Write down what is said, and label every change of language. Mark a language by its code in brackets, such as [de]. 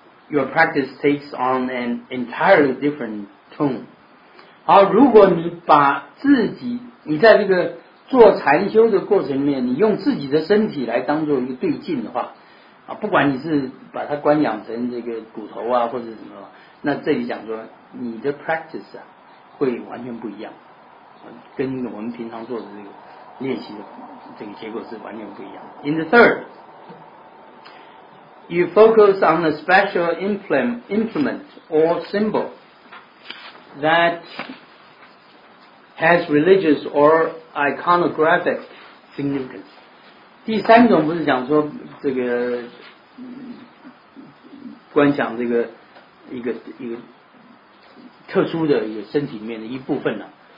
[en] Your practice takes on an entirely different tone. [zh] 好，如果你把自己，你在这个做禅修的过程里面，你用自己的身体来当做一个对境的话，啊，不管你是把它观养成这个骨头啊，或者什么，那这里讲说你的 practice 啊，会完全不一样，跟我们平常做的这个练习的这个结果是完全不一样。 [en] In the third. You focus on a special implement or symbol that has religious or iconographic significance. [zh] 第三种不是讲说这个观想这个一个特殊的一个身体里面的一部分呢、啊？